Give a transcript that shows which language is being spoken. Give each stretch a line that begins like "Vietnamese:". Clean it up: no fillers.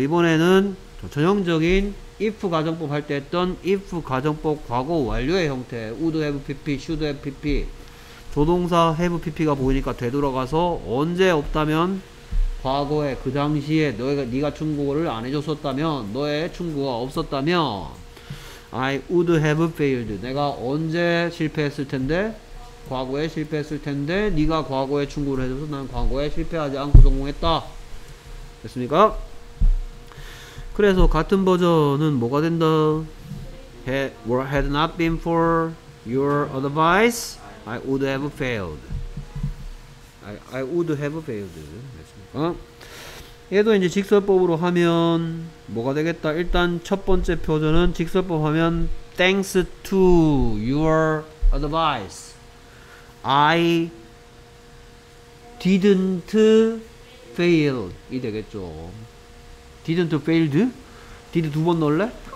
Korean: 이번에는 전형적인 if 가정법 할 때 했던 if 가정법 과거 완료의 형태 would have pp, should have pp 조동사 have pp 가 보이니까 되돌아가서 언제 없다면 과거에 그 당시에 너가 네가 충고를 안 해줬었다면 너의 충고가 없었다면
English: I would have failed.
Korean: 내가 언제 실패했을 텐데? 과거에 실패했을 텐데 네가 과거에 충고를 해줘서 난 과거에 실패하지 않고 성공했다. 됐습니까? 그래서 같은 버전은 뭐가 된다?
English: Had not been for your advice, I would have failed. I would have failed. 됐습니까?
Korean: 얘도 이제 직설법으로 하면 뭐가 되겠다. 일단 첫 번째 표준은 직설법 하면
English: thanks to your advice I didn't fail
Korean: 이 되겠죠. didn't failed? did 두 번 넣을래?